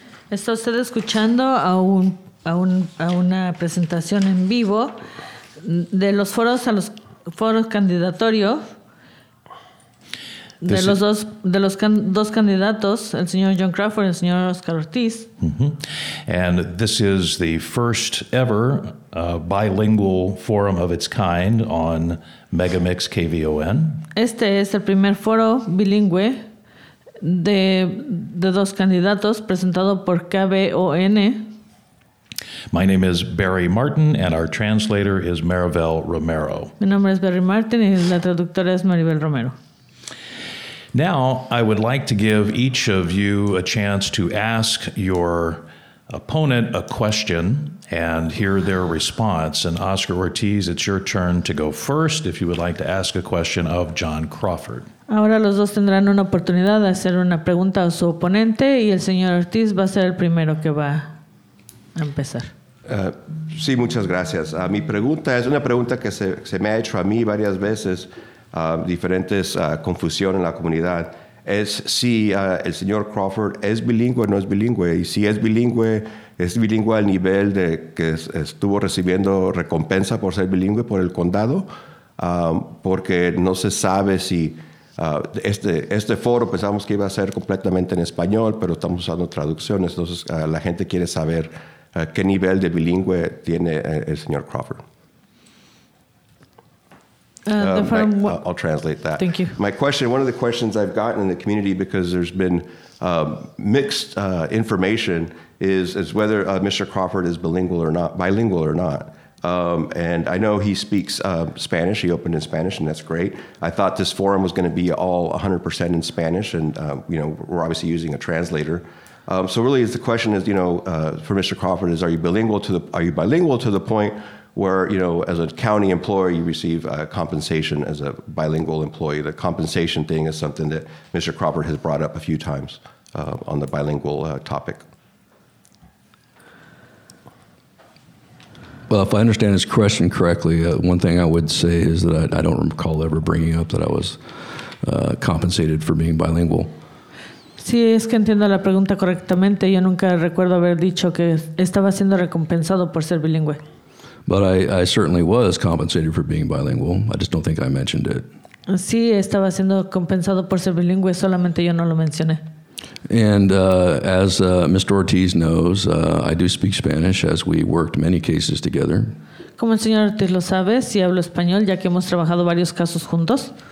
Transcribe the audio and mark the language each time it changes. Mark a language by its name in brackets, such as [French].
[Spanish] Está usted escuchando a una presentación en vivo de los foros a los foros candidatorios de los dos dos candidatos, el señor John Crawford y el señor Oscar Ortiz. [English] And this is the first ever bilingual forum of its kind on Megamix KVON. [Spanish] Este es el primer foro bilingüe de dos candidatos presentado por KVON. [English] My name is Barry Martin, and our translator is Maribel Romero. [Spanish] Mi nombre es Barry Martin, y la traductora es Maribel Romero. [English] Now, I would like to give each of you a chance to ask your opponent a question and hear their response. And Oscar Ortiz, it's your turn to go first if you would like to ask a question of John Crawford. [Spanish] Ahora los dos tendrán una oportunidad de hacer una pregunta a su oponente, y el señor Ortiz va a ser el primero que va a empezar. Sí, muchas gracias. Mi pregunta es una pregunta que se me ha hecho a mí varias veces, diferentes confusión en la comunidad. Es si el señor Crawford es bilingüe o no es bilingüe, y si es bilingüe, ¿es bilingüe al nivel de que estuvo recibiendo recompensa por ser bilingüe por el condado? Porque no se sabe si este foro pensamos que iba a ser completamente en español, pero estamos usando traducciones, entonces la gente quiere saber qué nivel de bilingüe tiene el señor Crawford. [English] I'll translate that. Thank you. My question, one of the questions I've gotten in the community, because there's been mixed information, is whether Mr. Crawford is bilingual or not. And I know he speaks Spanish. He opened in Spanish, and that's great. I thought this forum was going to be all 100% in Spanish, and you know, we're obviously using a translator. So really, the question is, you know, for Mr. Crawford, is are you bilingual to the point? Where, you know, as a county employee, you receive compensation as a bilingual employee. The compensation thing is something that Mr. Crawford has brought up a few times on the bilingual topic. Well, if I understand his question correctly, one thing I would say is that I don't recall ever bringing up that I was compensated for being bilingual. [Spanish] Sí, es que entiendo la pregunta correctamente. Yo nunca recuerdo haber dicho que estaba siendo recompensado por ser bilingüe. [English] But I certainly was compensated for being bilingual. I just don't think I mentioned it. [Spanish] Sí, estaba siendo compensado por ser bilingüe, solamente yo no lo mencioné. [English] And as Mr. Ortiz knows, I do speak Spanish, as we worked many cases together. [Spanish] Como el señor Ortiz lo sabe, sí hablo español, ya que hemos trabajado varios casos juntos.